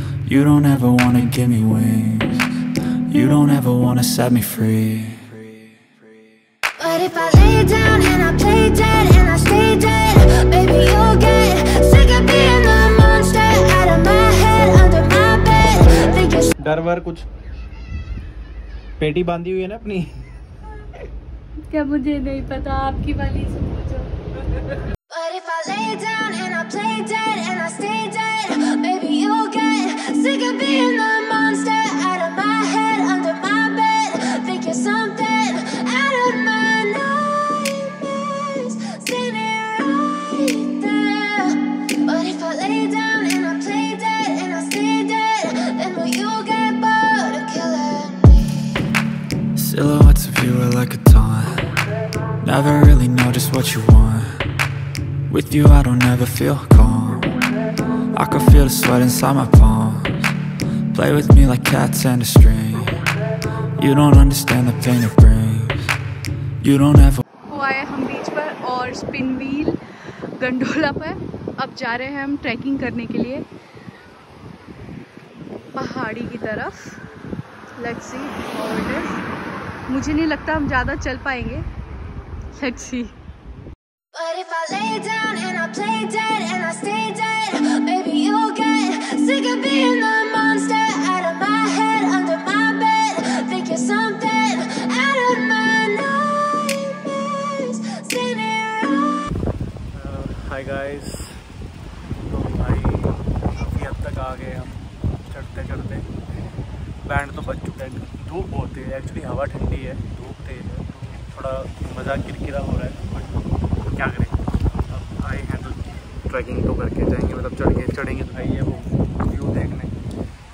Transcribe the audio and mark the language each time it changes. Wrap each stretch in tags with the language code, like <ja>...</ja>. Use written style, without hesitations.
<en>You don't ever wanna give me wings. You don't ever wanna set me free. But if I lay down and I play dead and I stay dead, baby you'll get sick of being the monster. Out of my head, under my bed. Think you're</en> <hi>डर वर कुछ पेटी बांधी हुई है ना अपनी? क्या मुझे नहीं पता, आपकी वाली से पूछो.</hi> <en>But if I lay down and I play dead and I stay dead, baby you'll get sick of being the monster. Out of my head, under my bed. Think you're something out of my nightmares. See me right there. But if I lay down and I play dead and I stay dead, then will you get bored of killing me? Silhouettes of you are like a taunt. Never really know just what you want. With you I don't ever feel calm. I can feel the sweat inside my palms. Play with me like cats and a string. You don't understand the pain it brings. You don't ever.</en> <hi>हुआ है हम बीच पर और spin wheel gondola पर. अब जा रहे हैं हम ट्रैकिंग करने के लिए पहाड़ी की तरफ.</hi> <en>Let's see how it is.</en> <hi>मुझे नहीं लगता हम ज़्यादा चल पाएंगे.</hi> <en>Let's see. But if I lay down and I play dead and I stay dead, baby you'll get sick of being the monster. Out of my head, under my bed. Think you're something out of my nightmares. See me right. Hi guys.</en> <hi>तो भाई काफी हद तक आ गए हम चढ़ते चढ़ते. Band तो बज चुका है. धूप बहुत है एक्चुअली, हवा ठंडी है, धूप तेज है, तो थोड़ा मज़ा किरकिरा हो रहा है. ट्रैकिंग तो करके जाएंगे, मतलब चढ़ेंगे तो भाई ये वो व्यू देखने.</hi>